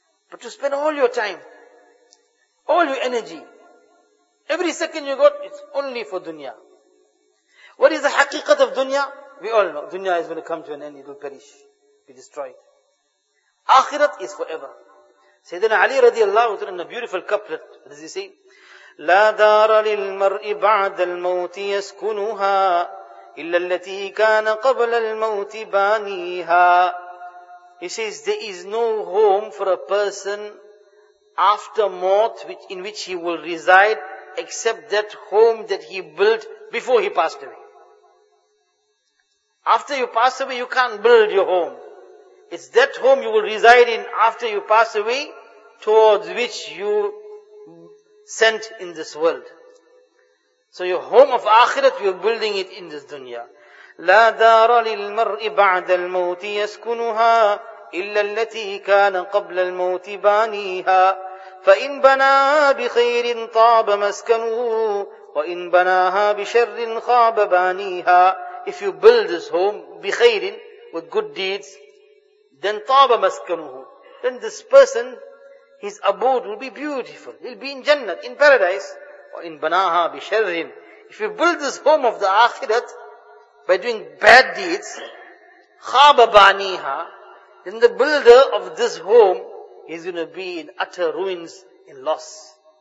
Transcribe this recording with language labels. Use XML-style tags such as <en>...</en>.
<en>But to spend all your time, all your energy, every second you got, it's only for dunya. What is the haqiqat of dunya? We all know, dunya is going to come to an end, it will perish, be destroyed. Akhirat is forever. Sayyidina Ali radiallahu ta'ala in a beautiful couplet, what does he say?</en> <ar>لا دار للمرء بعد الموت يسكنها إلا التي كان قبل الموت بانيها.</ar> <en>He says, there is no home for a person after mort in which he will reside except that home that he built before he passed away. After you pass away, you can't build your home. It's that home you will reside in after you pass away, towards which you sent in this world. So your home of akhirat, you're building it in this dunya.</en> <ar>لا دار للمرء بعد الموت يسكنها إلا التي كان قبل الموت بانيها فإن بنا بخير طاب مسكنه وإن بناها بشر خاب بانيها.</ar> <en>If you build this home</en> <ar>بخير,</ar> <en>with good deeds, then</en> <ar>طاب مسكنه,</ar> <en>then this person, his abode will be beautiful. He'll be in Jannah, in paradise.</en> <ar>وَإِن بَنَاهَا بِشَرٍ.</ar> <en>If you build this home of the Akhirat by doing bad deeds,</en> <ar>خَابَ بَانِيهَا,</ar> <en>then the builder of this home is going to be in utter ruins, in loss.</en>